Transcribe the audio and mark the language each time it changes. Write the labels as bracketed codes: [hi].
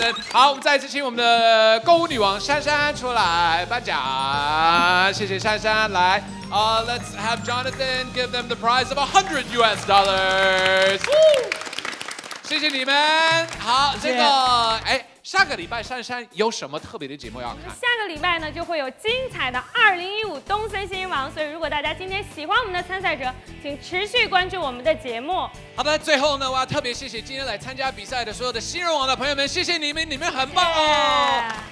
[zh] 好，我们再次请我们的购物女王珊珊出来颁奖，谢谢珊珊。来。 [en] Let's have Jonathan give them the prize of $100. [zh] 谢谢你们。好，这个，哎，下个礼拜珊珊有什么特别的节目要看？下个礼拜呢，就会有精彩的2015东森新人王。所以，如果大家今天喜欢我们的参赛者，请持续关注我们的节目。好的，最后呢，我要特别谢谢今天来参加比赛的所有的新人王的朋友们，谢谢你们，你们很棒哦。